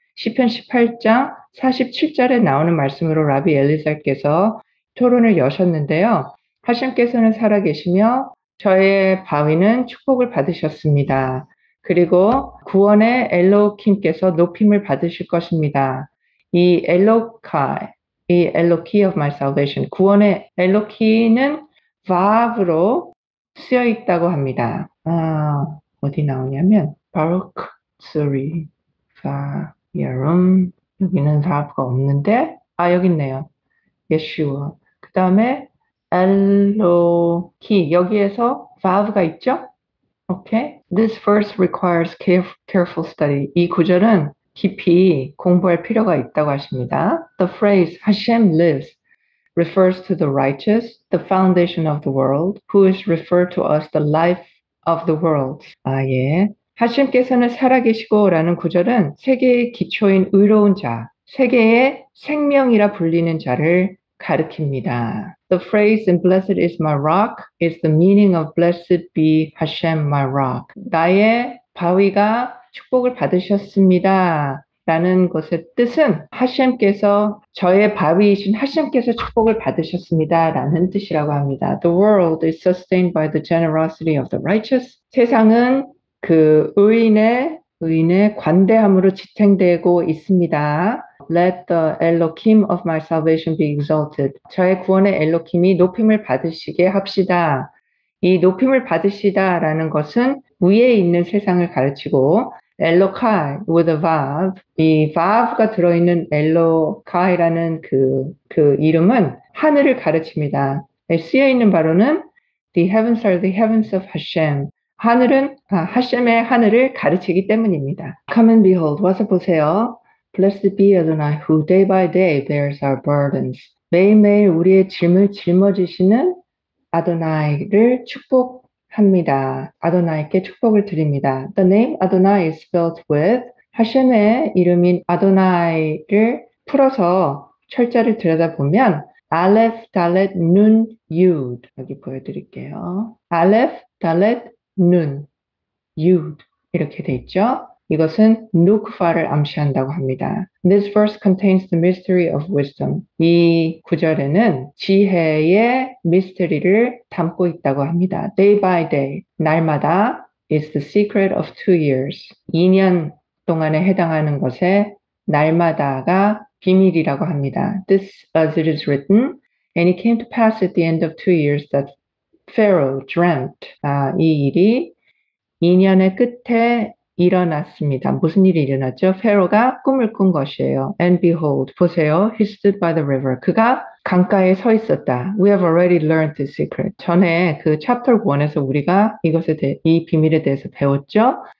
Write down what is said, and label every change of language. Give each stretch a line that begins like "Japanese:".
Korean: 시편 18장 47절에 나오는 말씀으로 라비 엘리사께서 토론을 여셨는데요. 하심께서는 살아계시며 저의 바위는 축복을 받으셨습니다. 그리고 구원의 엘로킴께서 높임을 받으실 것입니다. 이 엘로카이, 이 엘로키
English: of my salvation,
Korean: 구원의 엘로키는 vav으로 쓰여 있다고 합니다. 아, 어디 나오냐면 바로크 쓰리 vav. 여름, 여기는 사업가 없는데, 아, 여기 있네요. 예슈아. 그 다음에, 엘로키. 여기에서 vav가 있죠?
English: Okay. This verse requires careful study.
Korean: 이 구절은 깊이 공부할 필요가 있다고 하십니다.
English: The phrase Hashem lives refers to the righteous, the foundation of the world, who is referred to as the life of the world.
Korean: 아, 예. 하심께서는 살아계시고 라는 구절은 세계의 기초인 의로운 자, 세계의 생명이라 불리는 자를 가리킵니다.
English: The phrase in blessed is my rock is the meaning of blessed be Hashem my rock.
Korean: 나의 바위가 축복을 받으셨습니다. 라는 것의 뜻은 하심께서 저의 바위이신 하심께서 축복을 받으셨습니다. 라는 뜻이라고 합니다.
English: The world is sustained by the generosity of the righteous.
Korean: 세상은 그 의인의 관대함으로 지탱되고 있습니다.
English: Let the Elohim of my salvation be exalted.
Korean: 저의 구원의 엘로킴이 높임을 받으시게 합시다. 이 높임을 받으시다라는 것은 위에 있는 세상을 가르치고 엘로카이
English: with a vav.
Korean: 이 vav가 들어있는 엘로카이라는 그 이름은 하늘을 가르칩니다. 쓰여 있는 바로는
English: The heavens are the heavens of Hashem.
Korean: 하늘은 하셈의 하늘을 가르치기 때문입니다.
English: Come and behold,
Korean: 와서 보세요.
English: Blessed be Adonai who day by day bears our burdens.
Korean: 매일매일 우리의 짐을 짊어지시는 아도나이를 축복합니다. 아도나이께 축복을 드립니다.
English: The name Adonai is spelled with
Korean: 하셈의 이름인 아도나이를 풀어서 철자를 들여다보면 알레프 달렛 눈 유드 여기 보여드릴게요. 알레프 달렛 눈 유드 이렇게 돼 있죠. 이것은 누크파를 암시한다고 합니다.
English: This verse contains the mystery of wisdom.
Korean: 이 구절에는 지혜의 미스터리를 담고 있다고 합니다.
English: Day by day,
Korean: 날마다
English: is the secret of 2 years.
Korean: 2년 동안에 해당하는 것에 날마다가 비밀이라고 합니다.
English: This as it is written, and it came to pass at the end of 2 years that Pharaoh dreamt.
Korean: 이 일이 2년의 끝에 일어났습니다. 무슨 일이 일어났죠? 페로가 꿈을 꾼 것이에요.
English: And behold,
Korean: 보세요.
English: He stood by the river.
Korean: 그가 강가에 서 있었다.
English: We have already learned the secret.
Korean: 전에 그 챕터 1에서 우리가 이 비밀에 대해서 배웠죠?